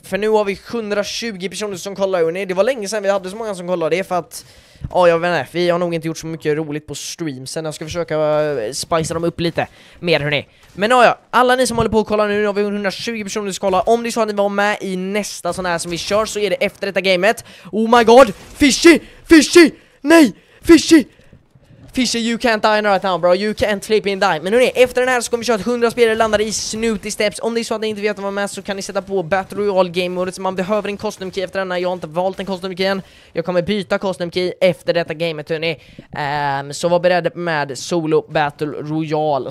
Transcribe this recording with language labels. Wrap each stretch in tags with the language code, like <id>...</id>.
<sv>För nu har vi 120 personer som kollar. Och nej, det var länge sedan vi hade så många som kollade. Det för att... ja, jag vet inte. Vi har nog inte gjort så mycket roligt på stream. Sen jag ska försöka spicea dem upp lite mer hörni. Men ja, alla ni som håller på att kolla nu, nu har vi 120 personer som kollar. Om ni så att ni var med i nästa sån här som vi kör, så är det efter detta gamet.</sv> <en>Oh my god, Fishy, Fishy, nej, Fishy. Fishy, you can't die right now bro, you can't flip in die.</en> <sv>Men hörni, efter den här så kommer vi köra att 100 spelare landar i Snooty Steps. Om det är så att ni inte vet vad man är med, så kan ni sätta på Battle Royale Game Mode. Så man behöver en costume key efter denna, jag har inte valt en costume key än. Jag kommer byta costume key efter detta gamet hörni. Så var beredd med Solo Battle Royale.</sv>